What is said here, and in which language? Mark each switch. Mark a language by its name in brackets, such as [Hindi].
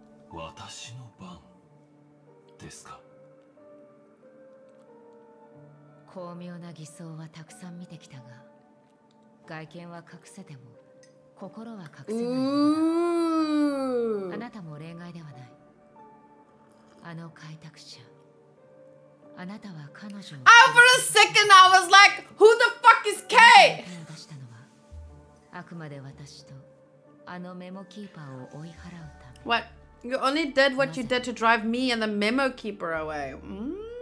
[Japanese] 私の番ですか。巧妙な偽装はたくさん見てきたが、外見は隠せても心は隠せない。あなたも例外ではない。あの開拓者。あなたは彼女を。 [English] Oh, for a second, I was like, "Who the fuck is K?" [Japanese] 出したのは、あくまで私とあのメモキーパーを追い払うため。 [English] What? You only did what you did to drive me and the memo keeper away. Mm.